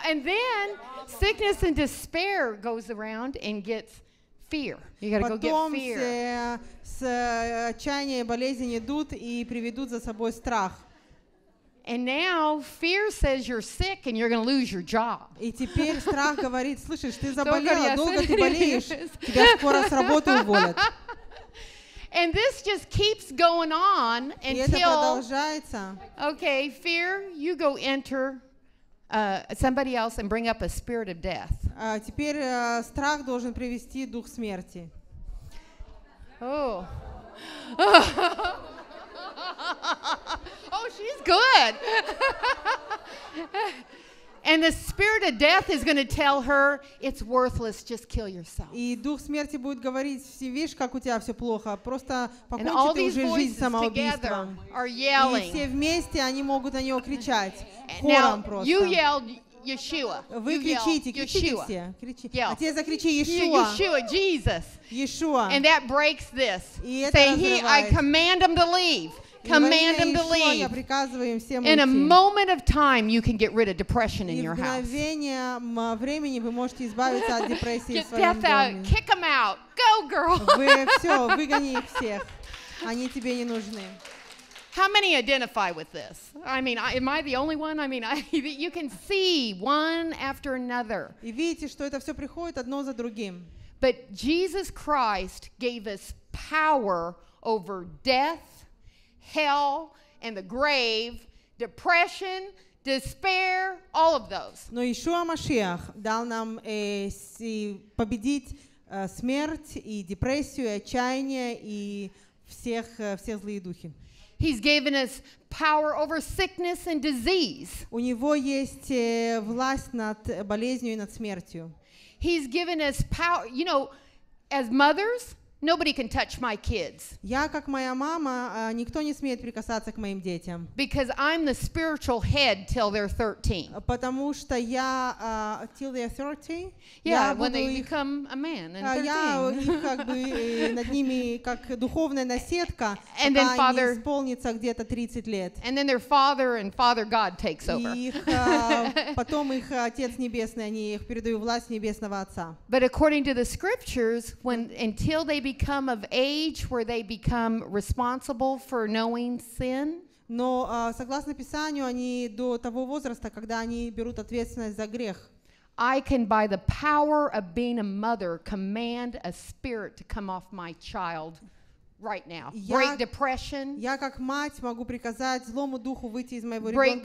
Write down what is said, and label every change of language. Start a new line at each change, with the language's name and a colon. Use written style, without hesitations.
English: And then sickness and despair goes around and gets. Fear. You gotta
Russian: потом
English: go get fear.
Russian: С отчаяния и болезнь идут и приведут за собой страх.
English: And now fear says you're sick and you're gonna lose your job.
Russian: И теперь страх говорит, слышишь, ты заболела, долго ты болеешь, тебя скоро с работы уволят.
English: And this just keeps going on until.
Russian: И это продолжается.
English: Okay, fear, you go enter. Somebody else and bring up a spirit of death.
Russian: Теперь страх должен привести дух смерти.
English: Oh. Oh, she's good. And the spirit of death is going to tell her it's worthless. Just kill yourself.
Russian: И дух смерти будет говорить: видишь, как у тебя все плохо. Просто покончи ты уже жизнь самоубийством. И все вместе они могут на него кричать хором просто.
English: You yell Yeshua.
Russian: Вы кричите, кричите все. А тебе закричи Иешуа.
English: Yeshua, Jesus.
Russian: Иешуа.
English: And that breaks this.
Russian: И это
English: say he, I command him to leave. Command him to leave. In a moment of time, you can get rid of depression in your house.
Russian: Времени вы можете избавиться от депрессии в своем доме.
English: Get death out, kick them out, go, girl.
Russian: Вы все, выгони их всех. Они тебе не нужны.
English: How many identify with this? I mean, am I the only one? I mean, you can see one after another.
Russian: И видите, что это все приходит одно за другим.
English: But Jesus Christ gave us power over death. Hell and the grave, depression, despair, all of those.
Russian: Но Иешуа Машиах дал нам победить смерть и депрессию, и отчаяние и все злые духи.
English: He's given us power over sickness and disease.
Russian: У него есть власть над болезнью и над смертью.
English: He's given us power, you know, as mothers. Nobody can touch my kids.
Russian: Я как моя мама, никто не смеет прикасаться к моим детям.
English: Because I'm the spiritual head till they're 13.
Russian: Потому что я
English: till they're 13. Yeah, when they become a man and 13.
Russian: Я как бы над ними как духовная наседка, когда они исполнится где-то 30 лет.
English: And then their father and Father God takes over.
Russian: Их потом их отец небесный, они их передают власть небесного отца.
English: But according to the scriptures, when until they become of age where they become responsible for knowing sin.
Russian: Но согласно Писанию, они до того возраста, когда они берут ответственность за грех.
English: I can, by the power of being a mother, command a spirit to come off my child right now. Break depression.
Russian: Я как мать могу приказать злому духу выйти из моего ребенка.